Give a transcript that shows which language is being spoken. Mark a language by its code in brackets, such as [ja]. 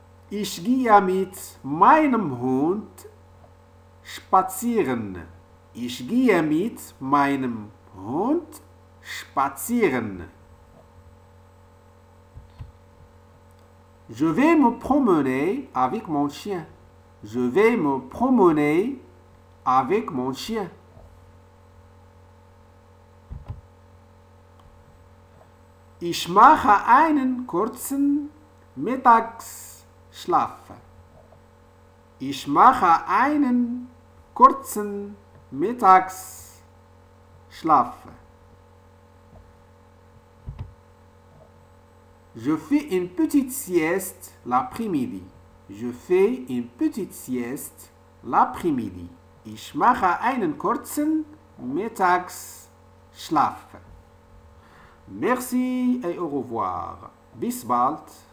[de] Ich gehe mit meinem Hund spazieren. Ich gehe mit meinem Hund spazieren. [fr] Je vais me promener avec mon chien. Je vais me promener avec mon chien. [de] Ich mache einen kurzen Mittagsschlaf. Ich mache einen kurzen Mittagsschlaf. [fr] Je fais une petite sieste l'après-midi. Je fais une petite sieste l'après-midi. [de] Ich mache einen kurzen Mittagsschlaf. [fr] Merci et au revoir. [de] Bis bald.